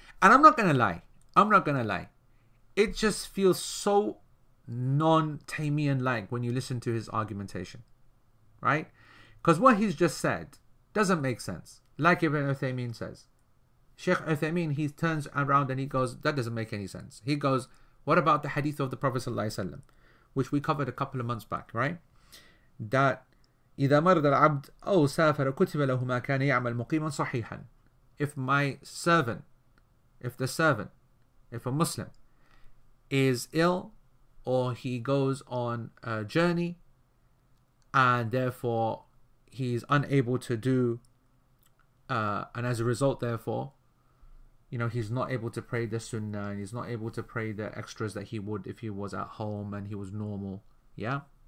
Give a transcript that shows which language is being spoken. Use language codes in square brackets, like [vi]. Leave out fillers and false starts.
[en] And I'm not going to lie. It just feels so non-Taymiyyan-like when you listen to his argumentation, right? Because what he's just said doesn't make sense. Like Ibn Uthaymeen says. Sheikh Uthaymeen, he turns around and he goes, that doesn't make any sense. He goes, what about the hadith of the Prophet Sallallahu Alaihi Wasallam, which we covered a couple of months back, right? That [ar] إذا مرض العبد أو سافر كتب له ما كان يعمل مقيما صحيحا. [en] If a Muslim is ill or he goes on a journey and therefore he's unable to do, and as a result therefore, you know, he's not able to pray the sunnah and he's not able to pray the extras that he would if he was at home and he was normal, yeah?